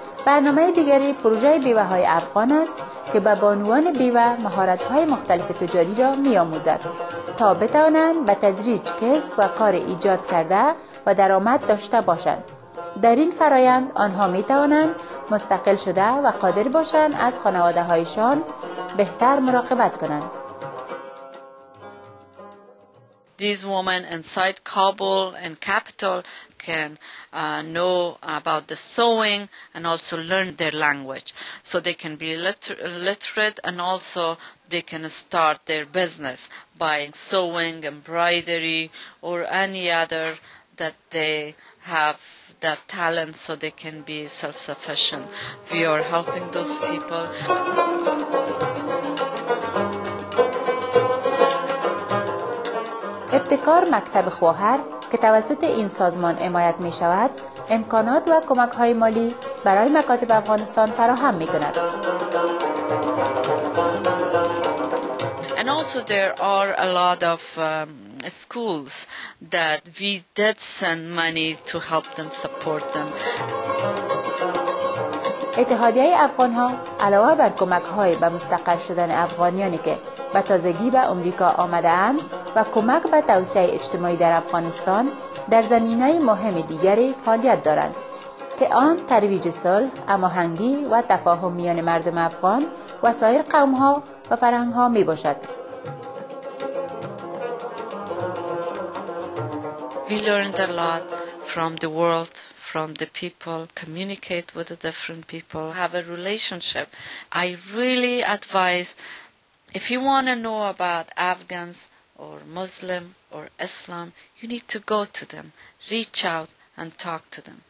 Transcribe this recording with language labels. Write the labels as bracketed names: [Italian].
[Persian] برنامه دیگری پروژه بیوه‌های افغان است که به بانوان بیوه مهارت‌های مختلف تجاری را می‌آموزد تا بتوانند به تدریج کسب و کار ایجاد کرده و درآمد داشته باشند. در این فرایند آنها می توانند مستقل شده و قادر باشند از خانواده هایشان بهتر مراقبت کنند. [English] These women inside Kabul and capital can know about the sewing and also learn their language so they can be literate and also they can start their business by sewing, embroidery or any other that they have that talent so they can be self-sufficient. We are helping those people. [Persian] ابتکار مکتب خواهر که توسط این سازمان حمایت می شود امکانات و کمک های مالی برای مکاتب افغانستان فراهم می کند. [English] And also there are a lot of schools that we did send money to help them, support them. [Persian] اتحادیه افغان ها علاوه بر کمک های به مستقل شدن افغانیانی که به تازگی به امریکا آمده اند و کمک به توسعه اجتماعی در افغانستان در زمینه مهم دیگری فعالیت دارند که آن ترویج صلح، هماهنگی و تفاهم میان مردم افغان و سایر قوم ها و فرهنگ ها می باشد. [English] We learned a lot from the world, from the people, communicate with the different people, have a relationship. I really advise, if you want to know about Afghans or Muslim or Islam, you need to go to them, reach out and talk to them.